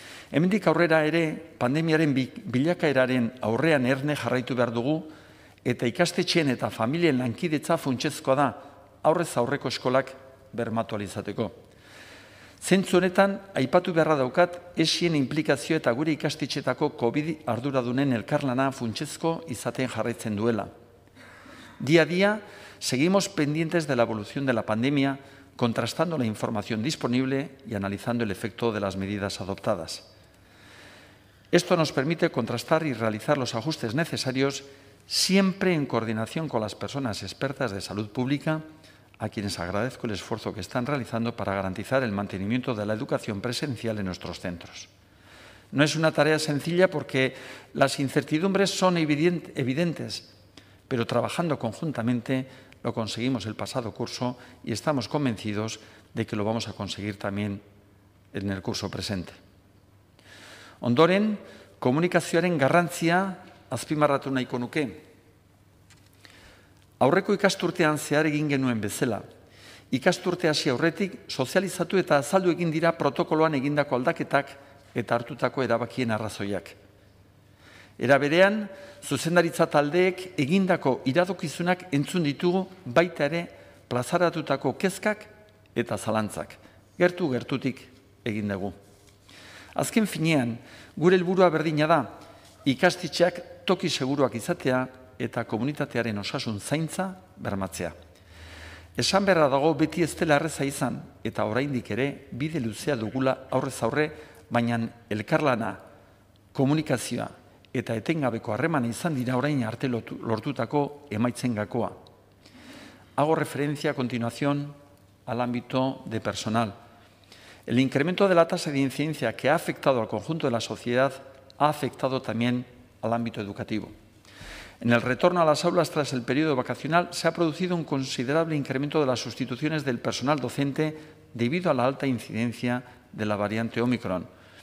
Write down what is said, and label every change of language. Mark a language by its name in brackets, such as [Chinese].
[Basque] Hemendik aurrera ere, pandemiaren bilakaeraren aurrean erne jarraitu behar dugu, eta ikastetxeen eta familien lankidetza funtsezkoa da, aurrez aurreko eskolak bermatu alizateko. Zentzu honetan, aipatu beharra daukat, esien implikazio eta gure ikastetxeetako COVID arduradunen elkarlana funtsezko izaten jarraitzen duela. [Spanish] Día a día, seguimos pendientes de la evolución de la pandemia, contrastando la información disponible y analizando el efecto de las medidas adoptadas. Esto nos permite contrastar y realizar los ajustes necesarios, siempre en coordinación con las personas expertas de salud pública, a quienes agradezco el esfuerzo que están realizando para garantizar el mantenimiento de la educación presencial en nuestros centros. No es una tarea sencilla porque las incertidumbres son evidentes, pero trabajando conjuntamente lo conseguimos el pasado curso y estamos convencidos de que lo vamos a conseguir también en el curso presente. [Basque] Ondoren, komunikazioaren garrantzia azpimarratu nahiko nuke. Aurreko ikasturtean zehar egin genuen bezala. Ikasturte hasi aurretik, sozializatu eta azaldu egin dira protokoloan egindako aldaketak eta hartutako erabakien arrazoiak. Era berean, zuzendaritza taldeek egindako iradokizunak entzun ditugu baita ere plazaratutako kezkak eta zalantzak. Gertu-gertutik egin dugu. Azken finean, gure helburua berdina da, ikastetxeak toki seguruak izatea eta komunitatearen osasun zaintza bermatzea. Esan beharra dago beti ez dela erreza izan eta oraindik ere bide luzea dugula aurrez aurre, baina elkarlana, komunikazioa eta etengabeko harremana izan dira orain arte lortutako emaitzen gakoa. [Spanish] Hago referencia a continuación al ámbito de personal. El incremento de la tasa de incidencia que ha afectado al conjunto de la sociedad ha afectado también al ámbito educativo. En el retorno a las aulas tras el periodo vacacional se ha producido un considerable incremento de las sustituciones del personal docente debido a la alta incidencia de la variante Omicron.